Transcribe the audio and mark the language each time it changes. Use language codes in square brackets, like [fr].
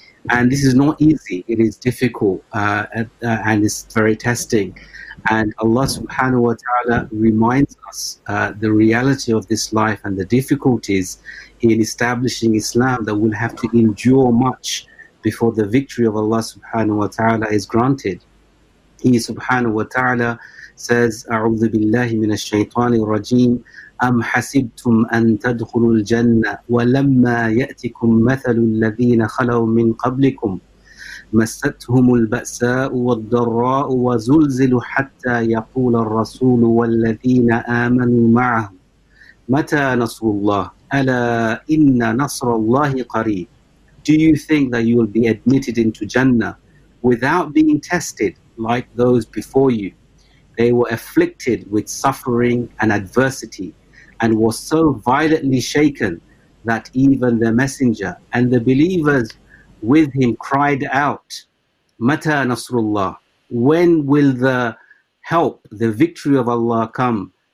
[en] And this is not easy. It is difficult and it's very testing. And Allah subhanahu wa ta'ala reminds us the reality of this life and the difficulties in establishing Islam, that we'll have to endure much before the victory of Allah subhanahu wa ta'ala is granted. He subhanahu wa ta'ala says, [ar] أعوذ بالله من الشيطان الرجيم أم حسبتم أن تدخلوا الجنة ولما يأتكم مثل الذين خلوا من قبلكم مستهم البأساء والضراء وزلزلوا حتى يقول الرسول والذين آمنوا معه متى نصر الله ألا إن نصر الله قريب. [en] Do you think that you will be admitted into Jannah without being tested like those before you? They were afflicted with suffering and adversity and were so violently shaken that even the messenger and the believers with him cried out, [ar] Mata Nasrullah, [en] when will the help, the victory of Allah come?